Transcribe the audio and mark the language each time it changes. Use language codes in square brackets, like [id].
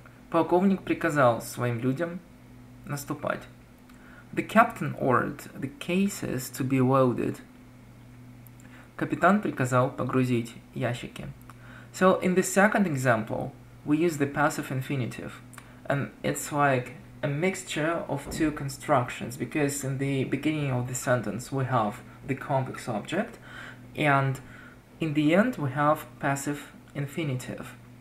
[ru] Полковник приказал своим людям наступать. [en] The captain ordered the cases to be loaded. [ru] Капитан приказал погрузить ящики. [en] So in the second example, we use the passive infinitive, and it's like a mixture of two constructions, because in the beginning of the sentence we have the complex object, and in the end we have passive infinitive.